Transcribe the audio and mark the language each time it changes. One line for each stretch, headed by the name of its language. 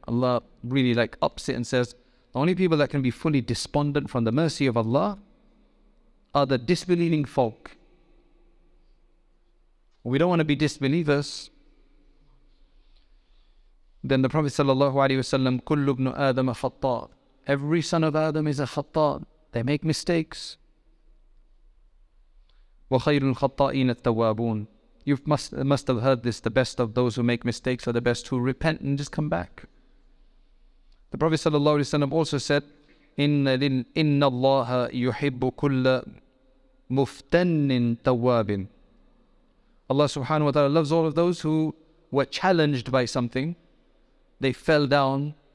English: Allah really like ups it and says, the only people that can be fully despondent from the mercy of Allah are the disbelieving folk. We don't want to be disbelievers.
Arabic: Then the Prophet sallallahu alaihi wasallam, كل ابن آدم خطاء.
English: Every son of Adam is a خطاء. They make mistakes.
Arabic: وخير الخطائين التوابون.
English: You must have heard this, the best of those who make mistakes are the best who repent and just come back.
Arabic: The Prophet sallallahu alaihi wasallam also said, إِنَّ اللَّهَ يُحِبُّ كُلَّ مُفْتَنٍ تَوَّابٍ.
English: Allah subhanahu wa ta'ala loves all of those who were challenged by something. They fell down.